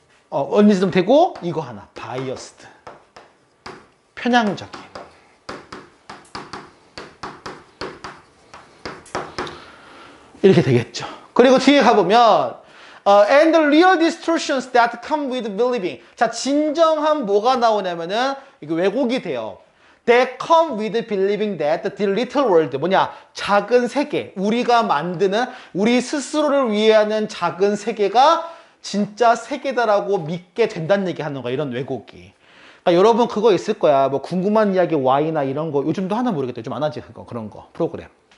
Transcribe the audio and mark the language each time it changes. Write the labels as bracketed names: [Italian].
[Korean] 언니즘 되고 이거 하나. biased. 편향적인. 이렇게 되겠죠. 그리고 뒤에 가보면 [English] and the real distortions that come with believing. [Korean] 자, 진정한 뭐가 나오냐면은, 이게 왜곡이 돼요. [English] That come with believing that the little world. [Korean] 뭐냐? 작은 세계. 우리가 만드는, 우리 스스로를 위하는 작은 세계가 진짜 세계다라고 믿게 된다는 얘기 하는 거야. 이런 왜곡이. 그러니까 여러분, 그거 있을 거야. 뭐, 궁금한 이야기, why나 이런 거. 요즘도 하나 모르겠다. 요즘 안 하지. 그런 거. 프로그램.